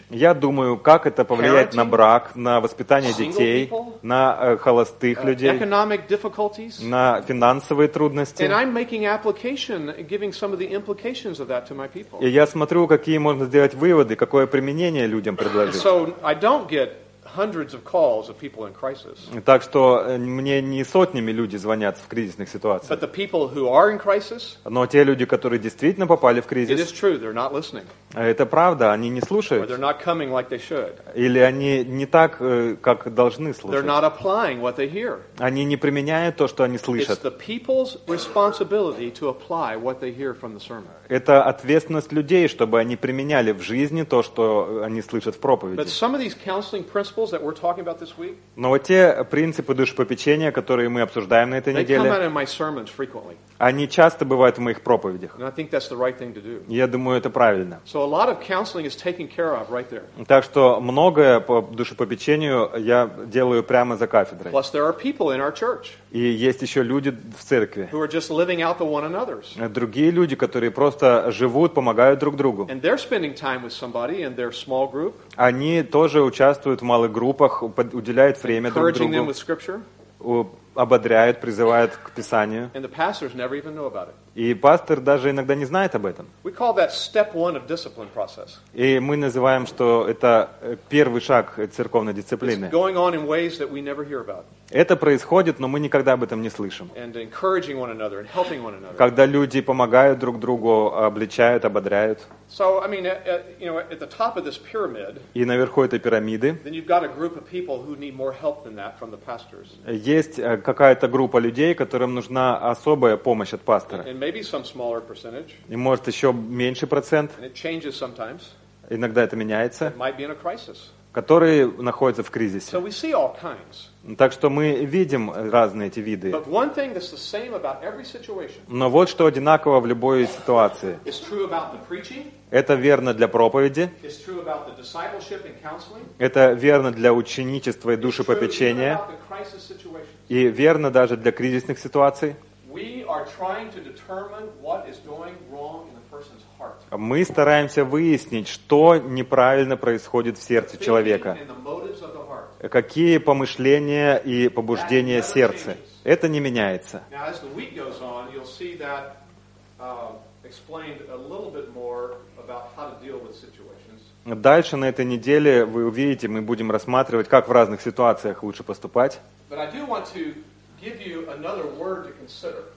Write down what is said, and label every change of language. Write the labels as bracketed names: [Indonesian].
[Russian] Я думаю, как это повлияет на брак, на воспитание детей, на холостых людей, на финансовые трудности. И я смотрю, какие можно сделать выводы, какое применение людям предложить. [English] So I don't get hundreds of calls of people in crisis. [Russian] Так что мне не сотнями люди звонят в кризисных ситуациях. [English] But the people who are in crisis, [Russian] но те люди, которые действительно попали в кризис, [English] it is true, they're not listening. [Russian] Это правда, они не слушают. [English] Or they're not coming like they should. [Russian] Или они не так, как должны слушать. [English] They're not applying what they hear. [Russian] Они не применяют то, что они слышат. [English] It's the people's responsibility to apply what they hear from the sermon. [Russian] Это ответственность людей, чтобы они применяли в жизни то, что они слышат в проповеди. [English] But some of these counseling principles principles that we're talking about this week, [Russian] но вот те принципы душепопечения, которые мы обсуждаем на этой неделе, [English] they come out in my sermons frequently. [Russian] Они часто бывают в моих проповедях. [English] And I think that's the right thing to do. [Russian] Я думаю, это правильно. [English] So a lot of counseling is taken care of right there. [Russian] Так что многое по душепопечению я делаю прямо за кафедрой. [English] Plus there are people in our church. [Russian] И есть еще люди в церкви. [English] Who are just living out the one another's. [Russian] Другие люди, которые просто живут, помогают друг другу. [English] And they're spending time with somebody in their small group. [Russian] Они тоже участвуют в малых группах, уделяют время друг другу. [English] Encouraging them with scripture. [Russian] Ободряют, призывают к Писанию. [English] And the pastors never even know about it. [Russian] И пастор даже иногда не знает об этом. [English] We call that step one of discipline process. [Russian] И мы называем, что это первый шаг церковной дисциплины. [English] It's going on in ways that we never hear about. [Russian] Это происходит, но мы никогда об этом не слышим. [English] And encouraging one another and helping one another. [Russian] Когда люди помогают друг другу, обличают, ободряют. [English] So, I mean, you know, at the top of this pyramid. [Russian] И наверху этой пирамиды. [English] Then you've got a group of people who need more help than that from the pastors. [Russian] Есть какая-то группа людей, которым нужна особая помощь от пастора. [English] And maybe some smaller percentage. [Russian] И может еще меньше процент. [English] And it changes sometimes. [Russian] Иногда это меняется. [English] It might be in a crisis. [Russian] Которые находятся в кризисе. [English] So we see all kinds. [Russian] Так что мы видим разные эти виды. [English] But one thing that's the same about every situation. [Russian] Но вот что одинаково в любой ситуации. [English] It's true about the preaching. [Russian] Это верно для проповеди. [English] It's true about the discipleship and counseling. [Russian] Это верно для ученичества и душепопечения. [English] It's true even about the crisis situations. [Russian] И верно даже для кризисных ситуаций. [English] We are trying to determine what is going wrong in the person's heart. [Russian] Мы стараемся выяснить, что неправильно происходит в сердце человека. Какие помышления и побуждения сердца. Это не меняется. [English] Now, as the week goes on, you'll see that explained a little bit more about how to deal with situations. [Russian] Дальше на этой неделе вы увидите, мы будем рассматривать, как в разных ситуациях лучше поступать. [English] But I do want to give you another word to consider.